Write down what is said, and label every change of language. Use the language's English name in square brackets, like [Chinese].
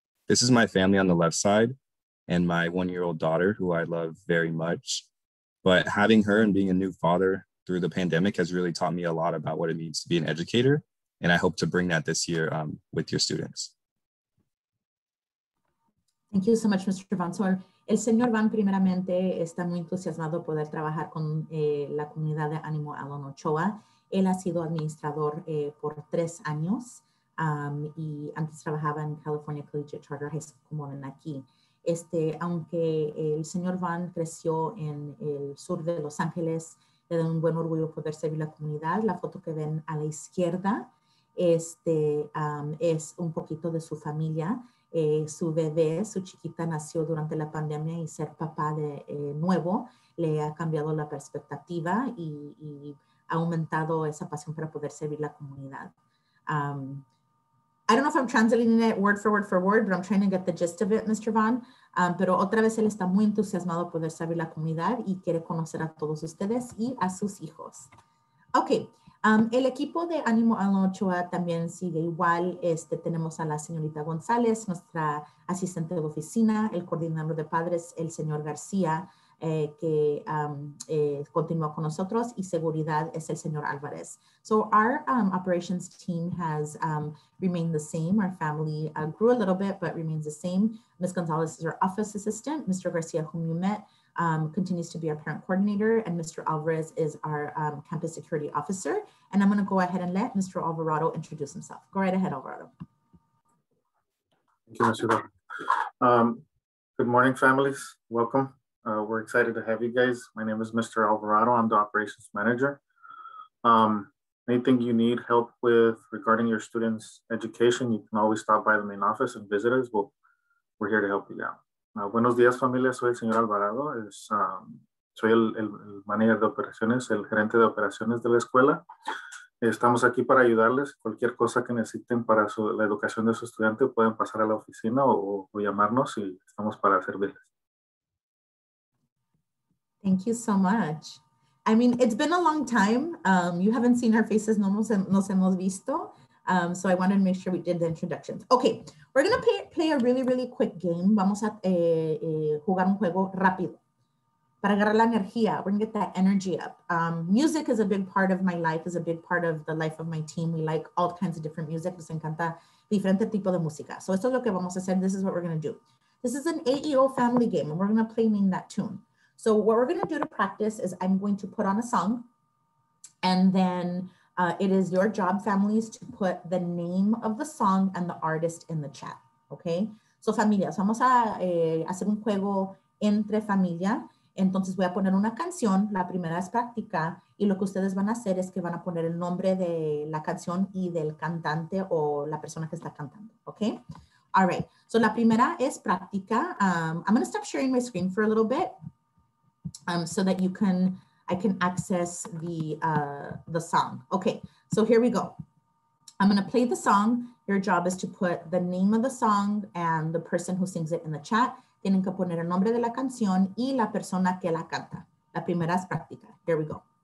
[English] This is my family on the left side and my one-year-old daughter, who I love very much. But having her and being a new father through the pandemic has really taught me a lot about what it means to be an educator. And I hope to bring that this year with your students. Thank you so much, Mr. Van. [Spanish] So el señor Van primeramente está muy entusiasmado poder trabajar con la comunidad de Animal El Nochoa. Él ha sido administrador por 3 años y antes trabajaba en California Collegiate Charter High School, como ven aquí. Aunque el señor Van creció en el sur de Los Ángeles, le da un buen orgullo poder servir la comunidad. La foto que ven a la izquierda es un poquito de su familia. Su bebé, su chiquita, nació durante la pandemia y ser papá de nuevo le ha cambiado la perspectiva y ha aumentado esa pasión para poder servir la comunidad. [English] I don't know if I'm translating it word for word for word, but I'm trying to get the gist of it, Mr. Van. [Spanish] Pero otra vez, él está muy entusiasmado por poder servir la comunidad y quiere conocer a todos ustedes y a sus hijos. Okay. El equipo de Animo Anochoa también sigue igual. Tenemos a la señorita González, nuestra asistente de oficina, el coordinador de padres, el señor García, que continúa con nosotros, y seguridad es el señor Álvarez. [English] So our operations team has remained the same. Our family grew a little bit, but remains the same. Ms. González is our office assistant. Mr. García, whom you met, continues to be our parent coordinator, and Mr. Alvarez is our campus security officer. And I'm going to go ahead and let Mr. Alvarado introduce himself. Go right ahead, Alvarado. Thank you, Mr. Van. Good morning, families. Welcome. We're excited to have you guys. My name is Mr. Alvarado. I'm the operations manager. Anything you need help with regarding your students' education, you can always stop by the main office and visit us. We're here to help you out. [Spanish] Buenos días, familia. Soy el señor Alvarado. Soy el manager de operaciones, el gerente de operaciones de la escuela. Estamos aquí para ayudarles. Cualquier cosa que necesiten para la educación de su estudiante, pueden pasar a la oficina o llamarnos y estamos para servirles. [English] Thank you so much. I mean, it's been a long time. You haven't seen our faces, [Spanish] no nos hemos visto. [English] So I wanted to make sure we did the introductions. Okay, we're going to play a really, really quick game. [Spanish] Vamos a jugar un juego rápido para agarrar la energía. [English] We're going to get that energy up. Music is a big part of my life, is a big part of the life of my team. We like all kinds of different music. [Spanish] Nos encanta diferente tipo de música. [English] So [Spanish] esto es lo que vamos a hacer. [English] This is what we're going to do. This is an AEO family game, and we're going to play Name That Tune. So what we're going to do to practice is I'm going to put on a song, and then it is your job, families, to put the name of the song and the artist in the chat, okay? [Spanish] So, familias, vamos a hacer un juego entre familia. Entonces, voy a poner una canción, la primera es práctica, y lo que ustedes van a hacer es que van a poner el nombre de la canción y del cantante o la persona que está cantando, okay? [English] All right, [Spanish] so la primera es práctica. [English] I'm going to stop sharing my screen for a little bit so that you can... I can access the song. Okay, so here we go. I'm gonna play the song. Your job is to put the name of the song and the person who sings it in the chat. [Spanish] Tienen que poner el nombre de la canción y la persona que la canta. La primera es práctica. [English] Here we go.